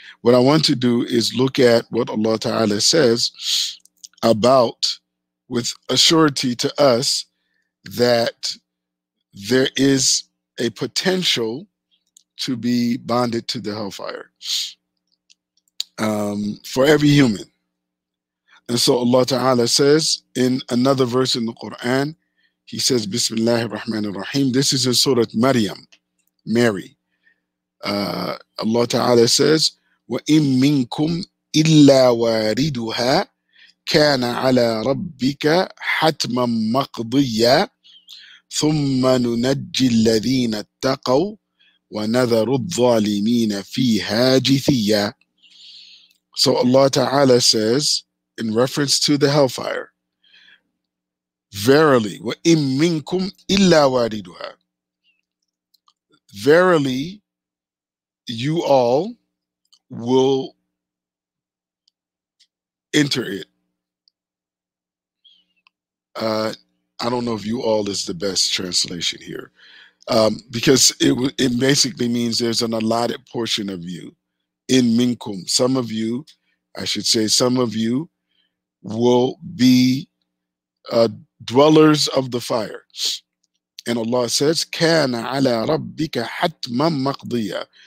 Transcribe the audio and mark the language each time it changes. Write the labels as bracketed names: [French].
[English] What I want to do is look at what Allah Ta'ala says about, with assurity to us, that there is a potential to be bonded to the hellfire for every human. And so Allah Ta'ala says in another verse in the Quran, he says, Bismillahir Rahmanir Rahim. This is in Surah Maryam, Mary. [Arabic] Allah Ta'ala says, وَإِن مِّنكُمْ إِلَّا وَارِدُهَا كَانَ عَلَىٰ رَبِّكَ حَتْمًا مَقْضِيًّا ثُمَّ نُنَجِّ الَّذِينَ اتَّقَوْا وَنَذَرُ الظَّالِمِينَ فِيهَا جِثِيًّا. [English] So Allah Ta'ala says, in reference to the hellfire, verily, [Arabic] وَإِن مِّنكُمْ إِلَّا وَارِدُهَا, [English] verily, you all will enter it. I don't know if you all is the best translation here, because it basically means there's an allotted portion of you in minkum. Some of you, I should say, some of you will be dwellers of the fire. And Allah says, [Arabic] كَانَ عَلَىٰ رَبِّكَ حَتْمًا مَقْضِيًّا.